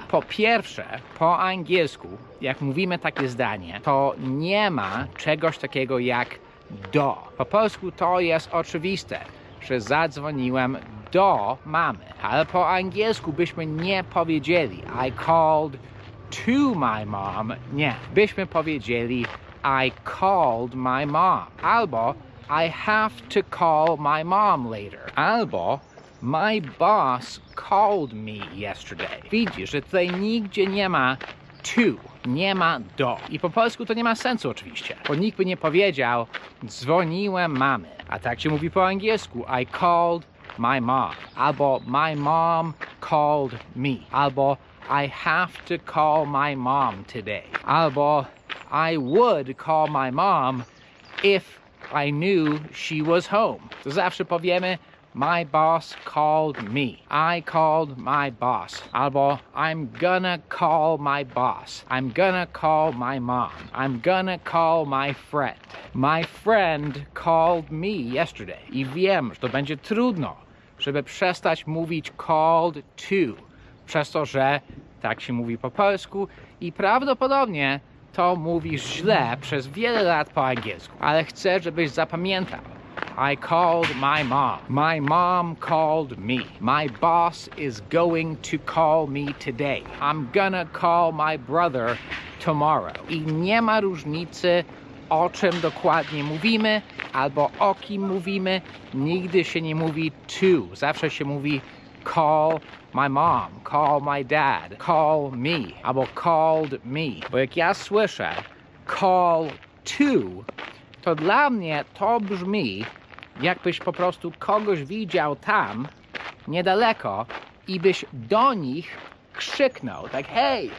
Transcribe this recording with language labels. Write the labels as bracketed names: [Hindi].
[Polish] Po pierwsze, po angielsku, jak mówimy takie zdanie, to nie ma czegoś takiego jak do. Po polsku to jest oczywiste, że zadzwoniłem do mamy. Ale po angielsku byśmy nie powiedzieli [English] I called to my mom. [Polish] Nie. Byśmy powiedzieli [English] I called my mom. Albo I have to call my mom later. Albo my boss called me yesterday. [Polish] Widzisz, że tutaj nigdzie nie ma to, nie ma do. I po polsku to nie ma sensu oczywiście, bo nikt by nie powiedział dzwoniłem mamy. A tak się mówi po angielsku [English] I called my mom. Albo my mom called me. Albo I have to call my mom today. Albo I would call my mom if I knew she was home. [Polish] To zawsze powiemy [English] my boss called me. I called my boss. Albo I'm gonna call my boss. I'm gonna call my mom. I'm gonna call my friend. My friend called me yesterday. [Polish] I wiem, że to będzie trudno, żeby przestać mówić [English] called to, [Polish] przez to, że tak się mówi po polsku i prawdopodobnie to mówisz źle przez wiele lat po angielsku. Ale chcę, żebyś zapamiętał. [English] I called my mom. My mom called me. My boss is going to call me today. I'm gonna call my brother tomorrow. [Polish] I nie ma różnicy, o czym dokładnie mówimy, albo o kim mówimy. Nigdy się nie mówi to. Zawsze się mówi [English] call my mom, call my dad, call me, albo called me. [Polish] Bo jak ja słyszę [English] call to, [Polish] to dla mnie to brzmi, jakbyś po prostu kogoś widział tam, niedaleko, i byś do nich krzyknął, tak hej!